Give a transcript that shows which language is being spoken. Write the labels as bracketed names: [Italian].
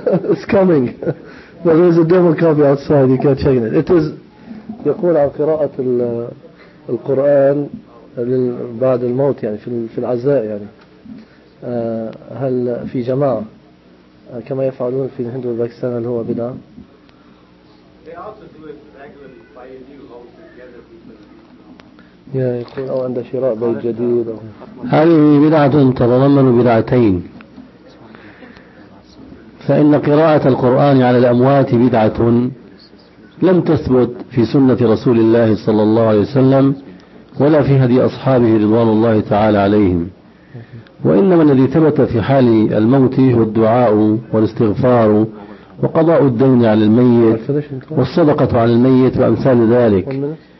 [English] It's coming. But there's a demo copy outside, you can check it. It is [Arabic] يقول عن قراءة القرآن بعد الموت، يعني في العزاء، يعني هل في جماعة كما يفعلون في الهند والباكستان اللي هو بدعة؟ [English] They also do it regularly by a new house together. [Arabic] Yeah, يقول أو عند شراء بيت جديد. هذه بدعة تتضمن بدعتين، فإن قراءة القرآن على الأموات بدعة لم تثبت في سنة رسول الله صلى الله عليه وسلم ولا في هدي أصحابه رضوان الله تعالى عليهم، وإنما الذي ثبت في حال الموت هو الدعاء والاستغفار وقضاء الدين على الميت والصدقة على الميت وأمثال ذلك.